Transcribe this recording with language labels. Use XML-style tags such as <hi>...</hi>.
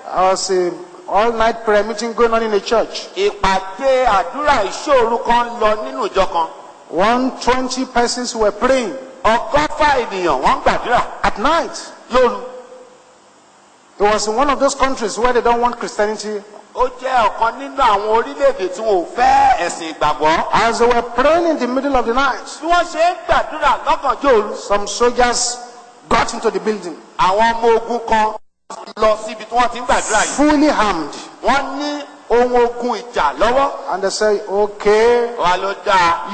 <en>I was a all night prayer meeting going on in a church.</en> <yo>Ipate adura isoru kan lo ninu ijo kan.</yo> <en>120 persons were praying.</en> <yo>Ogofa eniyan won gbadura.</yo> <en>At night.</en> <yo>Loru.</yo> <en>It was in one of those countries where they don't want Christianity.</en> <yo>Ó jẹ́ ọ̀kan nínú àwọn orílẹ̀-èdè tí wọn ò fẹ́ ẹ̀sìn ìgbàgbọ́.</yo> <en>As they were praying in the middle of the night.</en> <yo>Bí wọ́n ṣe ń gbàdúrà lọ́gànjọ́ òru.</yo> <en>Some soldiers got into the building.</en> <yo>Àwọn ọmọ ogun kan lọ síbi tí wọ́n ti ń gbàdúrà yìí.</yo> <en>Fully armed.</en> <yo>Wọ́n ní ohun ogun ìjà lọ́wọ́.</yo> <en>And they say, okay.</en> <yo>Wà ló dáa.</yo>